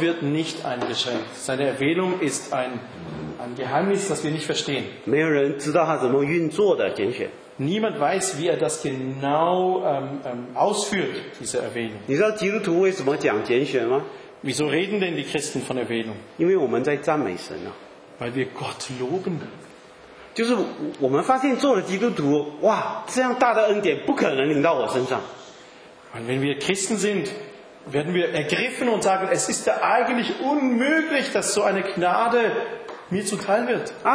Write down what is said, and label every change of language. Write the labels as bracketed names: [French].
[German] wird nicht eingeschränkt. Seine Erwählung ist ein Geheimnis, das wir nicht verstehen. Niemand weiß, wie er das genau ausführt, diese Erwählung. Wieso reden denn die Christen von Erwählung? Weil wir Gott loben. [Chinese] 就是我们发现做了基督徒，哇，这样大的恩典不可能临到我身上。 [German] Und wenn wir Christen sind, werden wir ergriffen und sagen, es ist da eigentlich unmöglich, dass so eine Gnade mir zuteil wird.